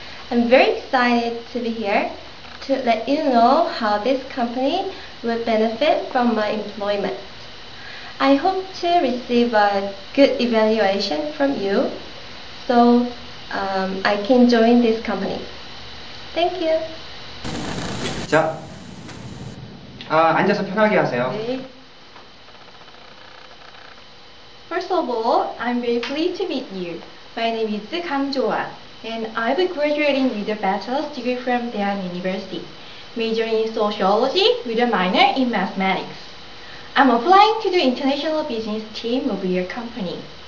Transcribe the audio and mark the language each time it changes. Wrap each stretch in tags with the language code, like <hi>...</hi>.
<en>I'm very excited to be here to let you know how this company will benefit from my employment. I hope to receive a good evaluation from you, so I can join this company. Thank you.</en> <ko>자, 앉아서 편하게 하세요.</ko> <en>First of all, I'm very pleased to meet you. My name is Kang Joa, and I'll be graduating with a bachelor's degree from Daehan University, majoring in sociology with a minor in mathematics. I'm applying to the international business team of your company.</en>